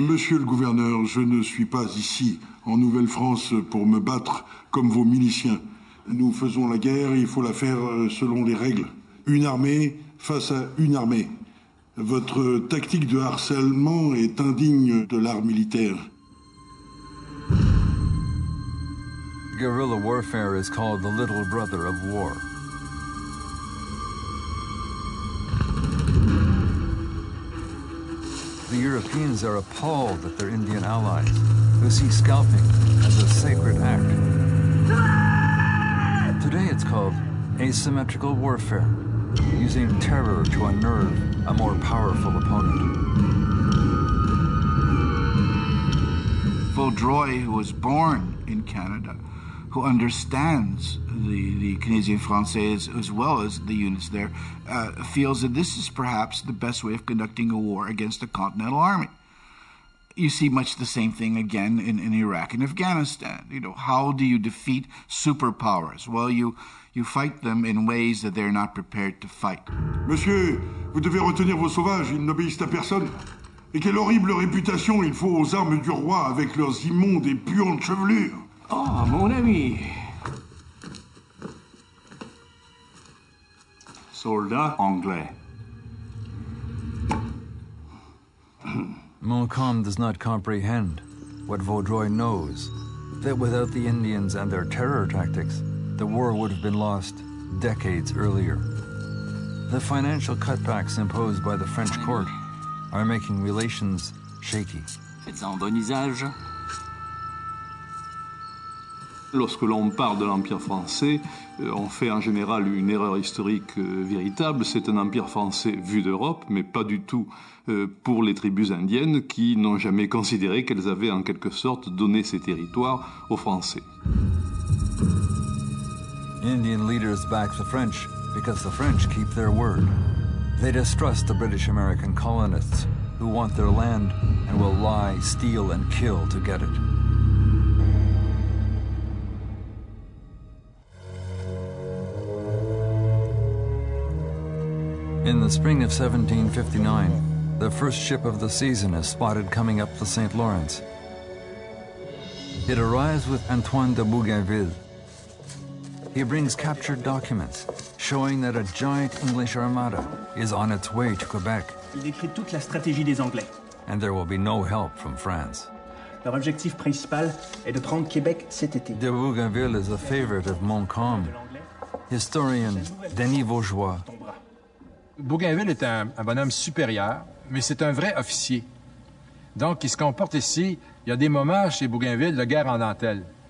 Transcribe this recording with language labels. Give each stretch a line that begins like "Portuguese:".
French: Monsieur le gouverneur, je ne suis pas ici, en Nouvelle-France, pour me battre comme vos miliciens. Nous faisons la guerre, il faut la faire selon les règles. Une armée face à une armée. Votre tactique de harcèlement est indigne de l'art militaire.
English: Guerrilla warfare is called the little brother of war. The Europeans are appalled at their Indian allies, who see scalping as a sacred act. Today it's called asymmetrical warfare, using terror to unnerve a more powerful opponent. Vaudreuil was born in Canada. who understands the Canadian Francais as well as the units there, feels that this is perhaps the best way of conducting a war against a Continental Army. You see much the same thing again in Iraq and Afghanistan. You know, how do you defeat superpowers? Well, you fight them in ways that they're not prepared to fight.
French: Monsieur, vous devez retenir vos sauvages, ils n'obéissent à personne. Et quelle horrible réputation il faut aux armes du roi avec leurs immondes et puantes chevelures. Oh, mon ami. Soldat anglais.
English: Montcalm does not comprehend what Vaudreuil knows, that without the Indians and their terror tactics, the war would have been lost decades earlier. The financial cutbacks imposed by the French court are making relations shaky.
French: Faites un bon usage. Lorsque l'on parle de l'Empire français, on fait en général une erreur historique véritable. C'est un empire français vu d'Europe, mais pas du tout pour les tribus indiennes qui n'ont jamais considéré qu'elles avaient en quelque sorte donné ces territoires aux Français.
English: Indian leaders back the French because the French keep their word. They distrust the British American colonists who want their land and will lie, steal and kill to get it. In the spring of 1759, the first ship of the season is spotted coming up the St. Lawrence. It arrives with Antoine de Bougainville. He brings captured documents showing that a giant English armada is on its way to Quebec.
French: Il décrit toute la stratégie des Anglais.
English: And there will be no help from France.
French: Leur objectif principal est de prendre Québec cet été.
English: De Bougainville is a favorite of Montcalm. Historian Denis Vaugeois.
French: Bougainville est un bonhomme supérieur, mais c'est un vrai officier. Donc, il se comporte ici. Il y a des moments chez Bougainville de guerre en dentelle.